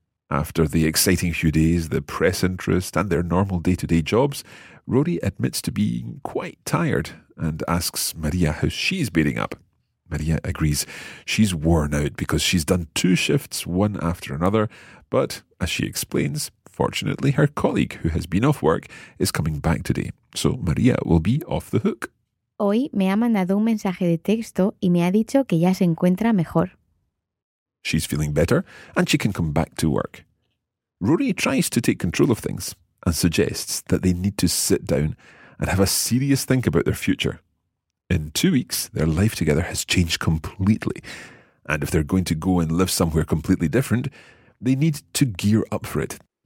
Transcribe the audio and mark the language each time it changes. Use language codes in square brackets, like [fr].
[en] After the exciting few days, the press interest and their normal day-to-day jobs, Rory admits to being quite tired and asks Maria how she's beating up. Maria agrees she's worn out because she's done two shifts, one after another. But as she explains, fortunately, her colleague who has been off work is coming back today. So Maria will be off the hook. [es] Hoy me ha mandado un mensaje de texto y me ha dicho que ya se encuentra mejor. [en] She's feeling better and she can come back to work. Rory tries to take control of things and suggests that they need to sit down and have a serious think about their future. In 2 weeks, their life together has changed completely. And if they're going to go and live somewhere completely different, they need to gear up for it.